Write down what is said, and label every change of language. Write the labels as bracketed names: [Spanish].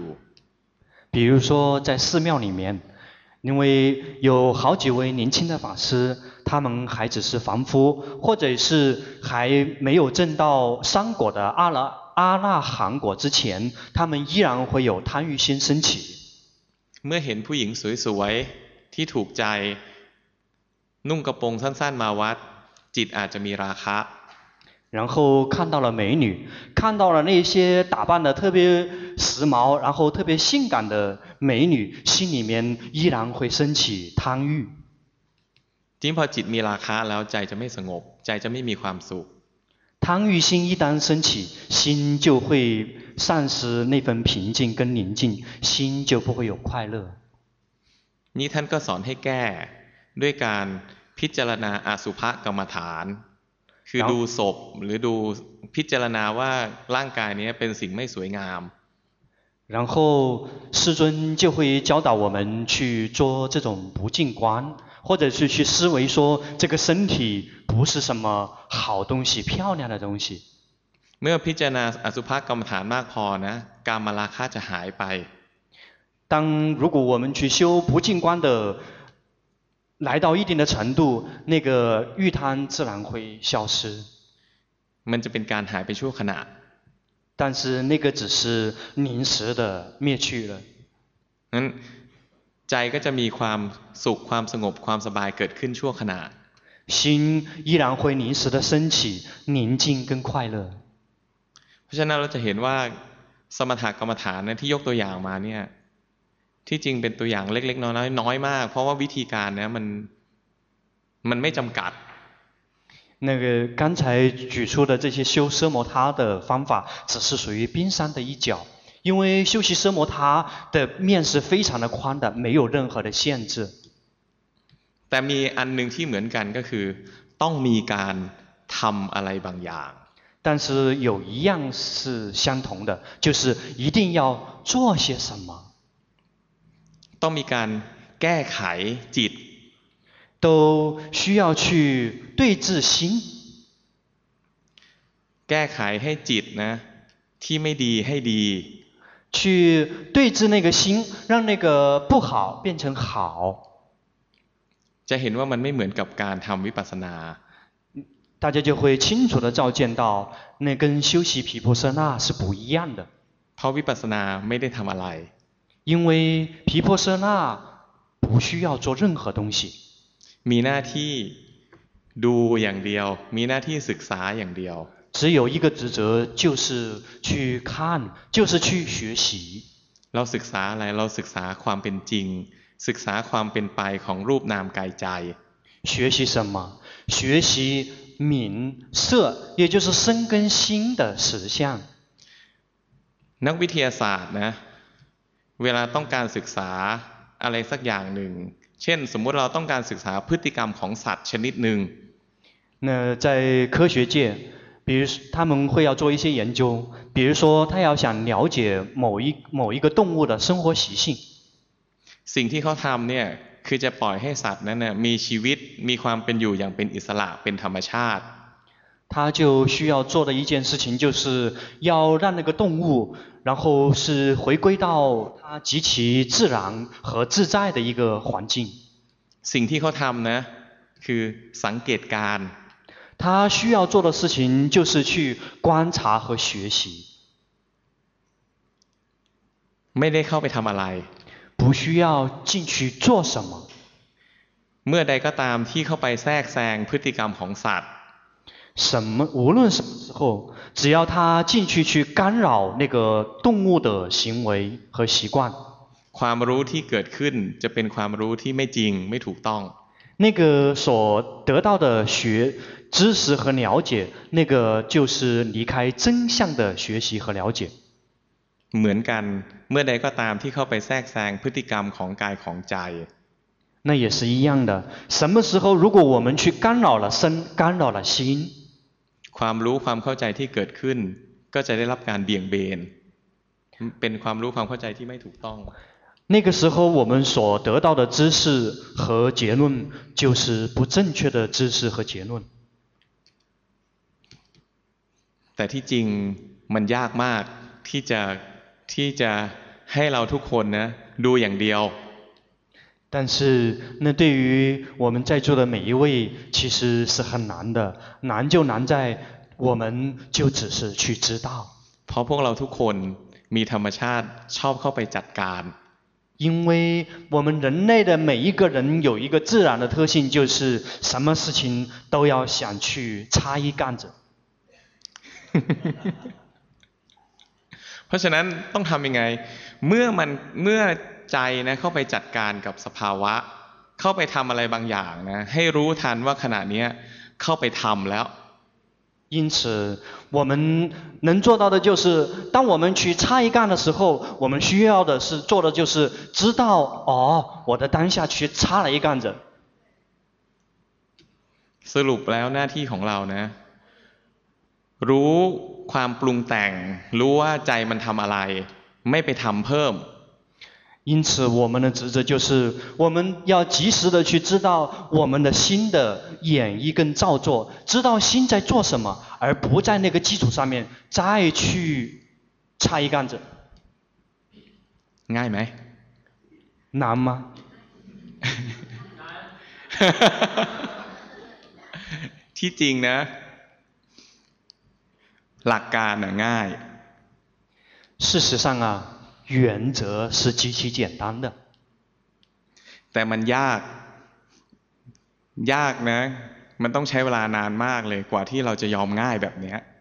[Chinese] 比如说在寺庙里面因为有好几位年轻的法师他们还只是凡夫或者是还没有证到三果的阿那含果之前他们依然会有贪欲心升起 [Thai] เมื่อเห็นผู้หญิงสวยๆที่ถูกใจนุ่งกระโปรงสั้นๆมาวัดจิตอาจจะมีราคะ [Chinese] 然后看到了美女看到了那些打扮的特别时髦然后特别性感的美女心里面依然会升起贪欲 [Thai] ทีนี้พอจิตมีราคะแล้วใจจะไม่สงบใจจะไม่มีความสุข [Chinese] 贪欲心一旦升起心就会丧失那份平静跟宁静心就不会有快乐 [Thai] นี่ท่านก็สอนให้แก้ด้วยการพิจารณาอสุภกรรมฐานคือดูศพหรือดูพิจารณาว่าร่างกายนี้เป็นสิ่งไม่สวยงาม [Chinese] 然后师尊就会教导我们去做这种不净观或者是去思维说这个身体不是什么好东西漂亮的东西 [Thai] เมื่อพิจารณาอสุภกรรมฐานมากพอนะกามราคะจะหายไป [Chinese] 当如果我们去修不净观的来到一定的程度那个欲贪自然会消失 [Thai] มันจะเป็นการหายไปชั่วขณะ [Chinese] 但是那个只是临时的灭去了 [Thai] งั้นใจก็จะมีความสุขความสงบความสบายเกิดขึ้นชั่วขณะ [Chinese] 心依然会临时的升起宁静跟快乐 [Thai] เพราะฉะนั้นเราจะเห็นว่าสมถกรรมฐานที่ยกตัวอย่างมาเนี่ยที่จริงเป็นตัวอย่างเล็กๆน้อยๆน้อยมากเพราะว่าวิธีการนะมันไม่จำกัด [Chinese] 那个刚才举出的这些修奢摩他的方法只是属于冰山的一角因为修习奢摩他的面是非常的宽的没有任何的限制 [Thai] แต่มีอันหนึ่งที่เหมือนกันก็คือต้องมีการทำอะไรบางอย่าง [Chinese] 但是有一样是相同的就是一定要做些什么 [Thai] ต้องมีการแก้ไขจิต [Chinese] 都需要去对治心 [Thai] แก้ไขให้จิตนะที่ไม่ดีให้ดี [Chinese] 去对治那个心让那个不好变成好 [Thai] จะเห็นว่ามันไม่เหมือนกับการทำวิปัสสนา [Chinese] 大家就会清楚的照见到那跟修习毗婆舍那是不一样的 [Thai] เพราะวิปัสสนาไม่ได้ทำอะไร [Chinese] 因为毗婆舍那不需要做任何东西 [Thai] มีหน้าที่ดูอย่างเดียวมีหน้าที่ศึกษาอย่างเดียว [Chinese] 只有一个职责就是去看就是去学习 [Thai] เราศึกษาอะไรเราศึกษาความเป็นจริงศึกษาความเป็นไปของรูปนามกายใจ [Chinese] 学习什么学习名色也就是身跟心的实相 [Thai] นักวิทยาศาสตร์นะเวลาต้องการศึกษาอะไรสักอย่างหนึ่งเช่นสมมติเราต้องการศึกษาพฤติกรรมของสัตว์ชนิดหนึ่ง [Chinese] 在科学界比如他们会要做一些研究比如说他要想了解某一个动物的生活习性 [Thai] สิ่งที่เขาทำเนี่ยคือจะปล่อยให้สัตว์นั้นมีชีวิตมีความเป็นอยู่อย่างเป็นอิสระเป็นธรรมชาติ [Chinese] 他就需要做的一件事情就是要让那个动物然后是回归到它极其自然和自在的一个环境 [Thai] สิ่งที่เขาทำนะคือสังเกตการ [Chinese] 他需要做的事情就是去观察和学习 [Thai] ไม่ได้เข้าไปทำอะไร [Chinese] 不需要进去做什么 [Thai] เมื่อใดก็ตามที่เข้าไปแทรกแซงพฤติกรรมของสัตว์ [Chinese] 什么无论什么时候只要他进去去干扰那个动物的行为和习惯 [Thai] ความรู้ที่เกิดขึ้นจะเป็นความรู้ที่ไม่จริงไม่ถูกต้อง [Chinese] 那个所得到的学知识和了解那个就是离开真相的学习和了解 [Thai] เหมือนกันเมื่อใดก็ตามที่เข้าไปแทรกแซงพฤติกรรมของกายของใจ [Chinese] 那也是一样的什么时候如果我们去干扰了身干扰了心 [Thai] ความรู้ความเข้าใจที่เกิดขึ้นก็จะได้รับการเบี่ยงเบนเป็นความรู้ความเข้าใจที่ไม่ถูกต้อง [Chinese] 那个时候我们所得到的知识和结论就是不正确的知识和结论。 [Thai] แต่ที่จริงมันยากมากที่จะให้เราทุกคนนะดูอย่างเดียว。 [Chinese] 但是那对于我们在座的每一位其实是很难的，难就难在我们就只是去知道。 [Thai] เพราะพวกเราทุกคนมีธรรมชาติชอบเข้าไปจัดการ。 [Chinese] 因为我们人类的每一个人有一个自然的特性，就是什么事情都要想去插一杆子。 [Thai] เพราะฉะนั้นต้องทำยังไงเมื่อใจนะเข้าไปจัดการกับสภาวะเข้าไปทำอะไรบางอย่างนะให้รู้ทันว่าขณะนี้เข้าไปทำแล้ว [Chinese] 因此我们能做到的就是当我们去插一杆的时候我们需要的是做的就是知道哦我的当下去插了一杆子 [Thai] สรุปแล้วหน้าที่ของเรานะรู้ความปรุงแต่งรู้ว่าใจมันทำอะไรไม่ไปทำเพิ่ม [Chinese] 因此我们的职责就是我们要及时的去知道我们的心的演绎跟造作知道心在做什么而不在那个基础上面再去插一杆子 [Thai] ง่ายไหม [Chinese] 难吗 [Thai] ที่จริงนะหลักการน่ะง่าย [Chinese] 事实上啊原则是极其简单的 [Thai] แต่มันยากนะมันต้องใช้เวลานานมากเลยกว่าที่เราจะยอมง่ายแบบเนี้ย